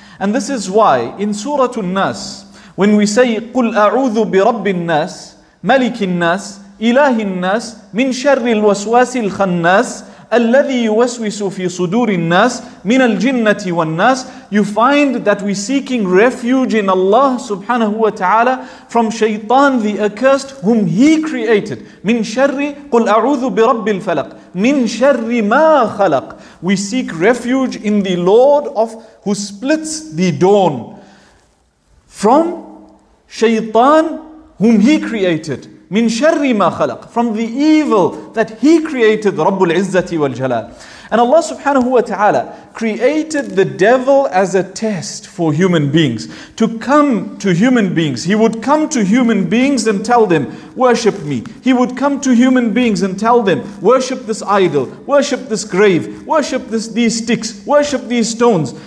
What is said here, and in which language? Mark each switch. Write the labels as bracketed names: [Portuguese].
[English] And this is why in Surah An-Nas, when we say, [Arabic] قُلْ أَعُوذُ بِرَبِّ النَّاسِ مَلِكِ النَّاسِ إِلَهِ النَّاسِ مِنْ شَرِّ الْوَسْوَاسِ الْخَنَّاسِ الَّذِي يُوَسْوِسُ فِي صُدُورِ النَّاسِ مِنَ الْجِنَّةِ وَالنَّاسِ, [English] you find that we're seeking refuge in Allah subhanahu wa ta'ala from Shaytan the accursed whom He created. [Arabic] مِنْ شَرِّ قُلْ أَعُوذُ بِرَبِّ الْفَلَقِ مِنْ شَرِّ مَا خَلَقْ. [English] We seek refuge in the Lord of who splits the dawn from Shaytan whom He created. [Arabic] مِنْ شَرِّ مَا خَلَقْ, [English] from the evil that He created, [Arabic] رَبُّ الْعِزَّةِ وَالْجَلَالِ. [English] And Allah subhanahu wa ta'ala created the devil as a test for human beings. To come to human beings, He would come to human beings and tell them, worship Me. He would come to human beings and tell them, worship this idol, worship this grave, worship these sticks, worship these stones.